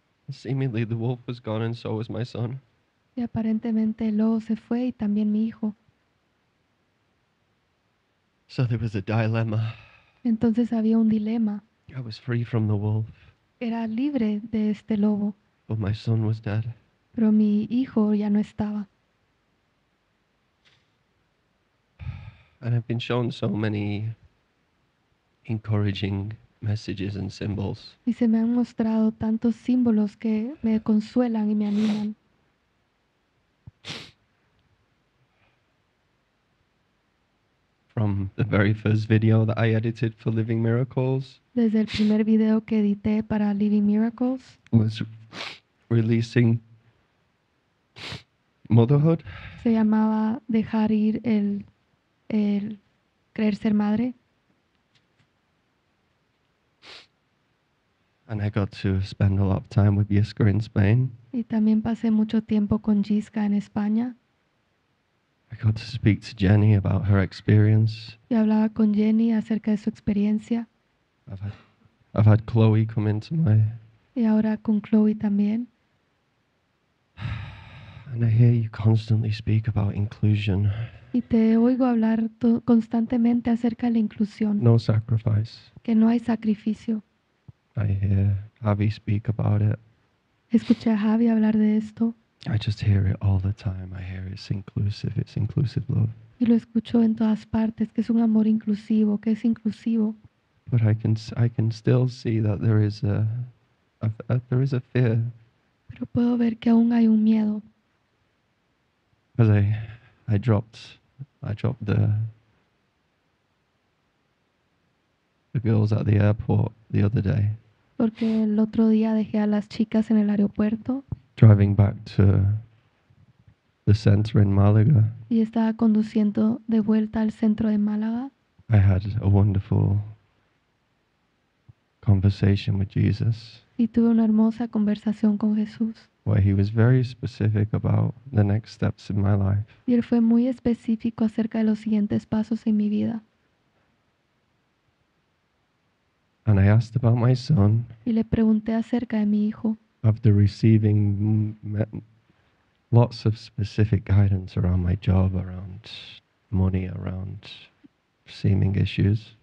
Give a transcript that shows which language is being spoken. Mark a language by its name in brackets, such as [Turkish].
[English] Seemingly the wolf was gone and so was my son. [Spanish] Y aparentemente el lobo se fue y también mi hijo. [English] So there was a dilemma. [Spanish] Entonces había un dilema. [English] I was free from the wolf. [Spanish] Era libre de este lobo. [English] But my son was dead. [Spanish] Pero mi hijo ya no estaba. [English] And I've been shown so many encouraging messages and symbols. [Spanish] Y se me han mostrado tantos símbolos que me consuelan y me animan. [English] From the very first video that I edited for Living Miracles. [Spanish] Desde el primer video que edité para Living Miracles. [English] Was releasing motherhood. [Spanish] Se llamaba dejar ir el creer ser madre. [English] And I got to spend a lot of time with Yiska in Spain. [Spanish] Y también pasé mucho tiempo con Yiska en España. [English] I got to speak to Jenny about her experience. [Spanish] Y hablaba con Jenny acerca de su experiencia. [English] I've had Chloe come into my... [Spanish] Y ahora con Chloe también. [English] And I hear you constantly speak about inclusion. [Spanish] Y te oigo hablar constantemente acerca de la inclusión. [English] No sacrifice. [Spanish] Que no hay sacrificio. [English] I hear Javi speak about it. [Spanish] Escuché a Javi hablar de esto. [English] I just hear it all the time. I hear it's inclusive love. [Spanish] Y lo escucho en todas partes, que es un amor inclusivo, que es inclusivo. [English] But I can still see that there is a fear. [Spanish] Pero puedo ver que aún hay un miedo. [English] As I dropped the girls at the airport the other day. [Spanish] Porque el otro día dejé a las chicas en el aeropuerto. [English] Driving back to the center in Malaga. [Spanish] Y estaba conduciendo de vuelta al centro de Málaga. [English] I had a wonderful conversation with Jesus. [Spanish] Y tuve una hermosa conversación con Jesús. [English] Where he was very specific about the next steps in my life. [Spanish] Y él fue muy específico acerca de los siguientes pasos en mi vida. [English] And I asked about my son. [Spanish] Y le pregunté acerca de mi hijo. [English] After receiving lots of specific guidance around my job, around money, around seeming issues.